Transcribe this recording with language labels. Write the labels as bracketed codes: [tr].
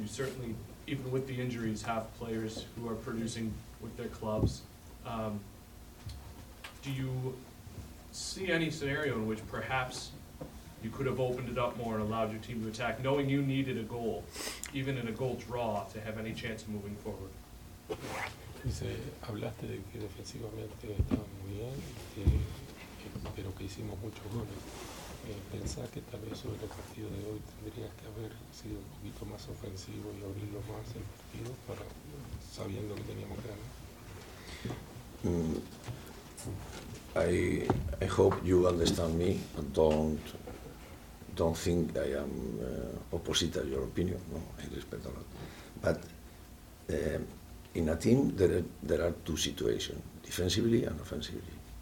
[en] You certainly, even with the injuries, have players who are producing with their clubs. Do you see any scenario in which perhaps you could have opened it up more and allowed your team to attack, knowing you needed a goal, even in a goal draw, to have any chance of moving forward? [es] Dice, hablaste de que defensivamente estaba muy bien, pero que hicimos muchos goles. ¿Pensás que tal vez sobre el partido de hoy tendrías que haber sido un poquito más ofensivo y abrirlo más el partido para sabiendo que teníamos ganas? [en] I hope you understand me and don't think I am opposite of your opinion. No, I respect a lot. But in a team, there are two situations, defensively and offensively.